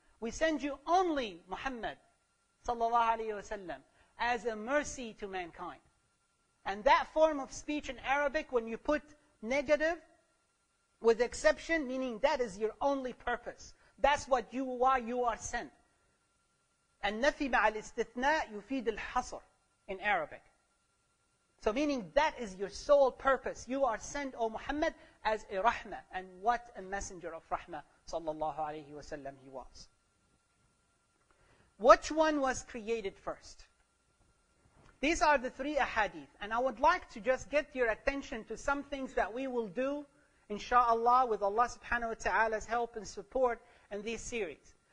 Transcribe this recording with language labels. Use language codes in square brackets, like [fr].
[en] We send you only Muhammad sallallahu alayhi wa sallam as a mercy to mankind. And that form of speech in Arabic, when you put negative with exception, meaning that is your only purpose. That's what you, why you are sent. [ar] النفي مع الاستثناء يفيد الحصر [en] in Arabic. So meaning that is your sole purpose. You are sent, O Muhammad, as a rahmah. And what a messenger of rahmah, sallallahu alayhi wa sallam, he was. Which one was created first? These are the three ahadith, and I would like to just get your attention to some things that we will do, inshallah, with Allah subhanahu wa ta'ala's help and support in this series.